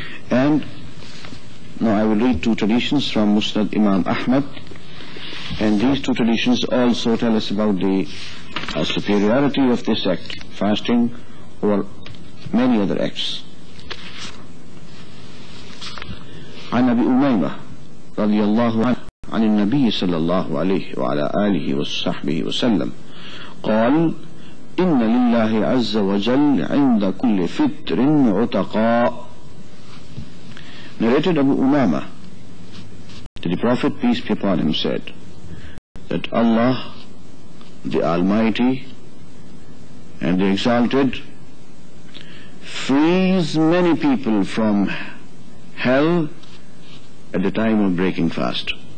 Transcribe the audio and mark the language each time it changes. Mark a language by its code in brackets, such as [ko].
[en] And now I will read two traditions from Musnad Imam Ahmad, and these two traditions also tell us about the superiority of this act, fasting, or many other acts. [ar] عن أبي أميمة رضي الله عنه عن النبي صلى الله عليه وعلى آله وصحبه وسلم قال إن لله عز وجل عند كل فطر عتقاء. [en] Narrated Abu Umama, that the Prophet, peace be upon him, said that Allah, the Almighty and the Exalted, frees many people from hell at the time of breaking fast.